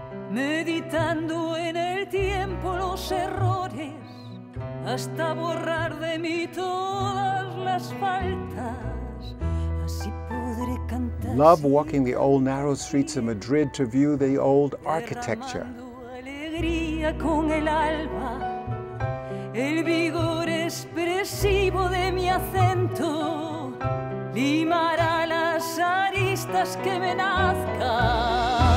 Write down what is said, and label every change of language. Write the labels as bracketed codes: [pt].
[es] Meditando en el tiempo los errores, hasta borrar de mí todas las faltas, así podré cantar. [en] Love walking the old narrow streets of Madrid to view the old architecture. [es] Alegría con el alba, el vigor expresivo de mi acento, limará las aristas que me nazcan.